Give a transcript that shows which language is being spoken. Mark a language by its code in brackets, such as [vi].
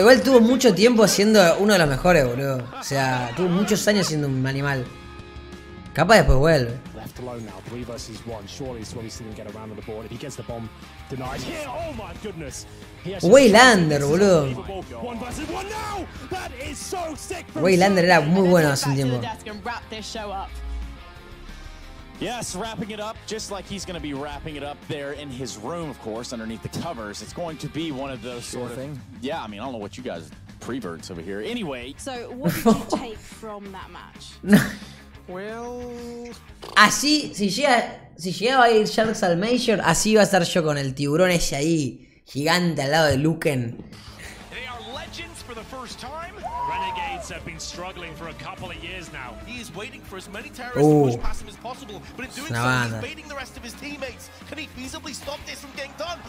[es] Igual tuvo mucho tiempo siendo uno de los mejores, boludo. O sea, tuvo muchos años siendo un animal. Capaz después vuelve. [en] Left alone now, 3 versus 1. Surely it's when he's going to get around on the board. If he gets the bomb, denies. Yeah, oh my goodness. [es] Waylander, boludo. [en] One versus 1 now. That is so sick. [es] Waylander era muy bueno hace un tiempo. [en] Yes, wrapping it up, just like he's going to be wrapping it up there in his room, of course, underneath the covers. It's going to be one of those sort of things. Yeah, I mean, I don't know what you guys preverts over here. Anyway. So, what did you take from that match? Well... [es] Así, si llegaba a ir Sharks al Major, así iba a estar yo con el tiburón ese ahí, gigante al lado de Luken. [en] They are legends for the first time. Renegades have been struggling for a couple of years now. He is waiting for as many terrorists to push past him as possible, but in doing so, he's baiting the rest of his teammates. Can he feasibly stop this from getting done?